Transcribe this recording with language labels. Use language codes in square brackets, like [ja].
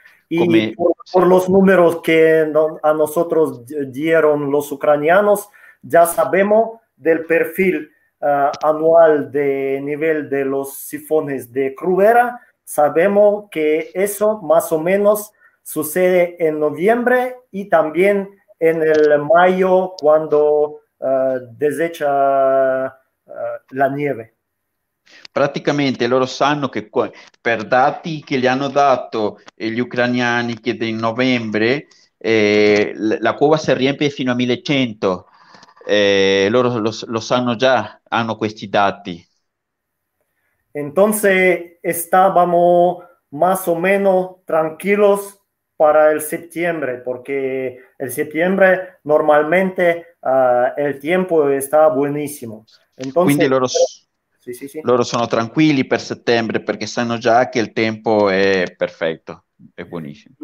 [es] Y por los números que a nosotros dieron los ucranianos, ya sabemos del perfil anual de nivel de los sifones de Krubera. Sabemos que eso más o menos sucede en noviembre y también en el mayo cuando desecha la nieve. [it] Praticamente loro sanno che per dati che gli hanno dato gli ucraniani che in novembre la cuova si riempie fino a 1100. Loro lo sanno già, hanno questi dati. [es] Entonces estábamos más o menos tranquilos para el septiembre, porque el septiembre normalmente el tiempo está buenísimo. [it] Entonces, quindi loro sono tranquilli per settembre perché sanno già che il tempo è perfetto, è buonissimo.